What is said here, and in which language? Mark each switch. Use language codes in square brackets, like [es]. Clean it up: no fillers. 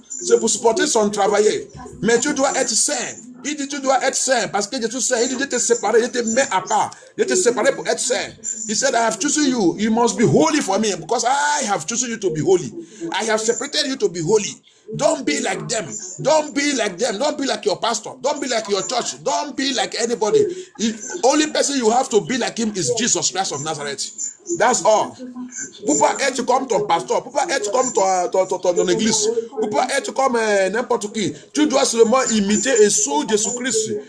[fr] C'est pour supporter son travail. Mais tu dois être saint. Il dit tu dois être saint parce que Dieu est saint. Il dit de te séparer, de te mettre à part, de te séparer pour être saint. [en] He said, I have chosen you. You must be holy for me because I have chosen you to be holy. I have separated you to be holy. Don't be like them. Don't be like your pastor. Don't be like your church. Don't be like anybody. The only person you have to be like him is Jesus Christ of Nazareth. That's all. [fr] Pourquoi est-ce que tu comme ton pasteur? Pourquoi est-ce que tu comme ton église? Pourquoi est-ce que tu comme n'importe qui? Tu dois seulement imiter et suivre Jésus Christ.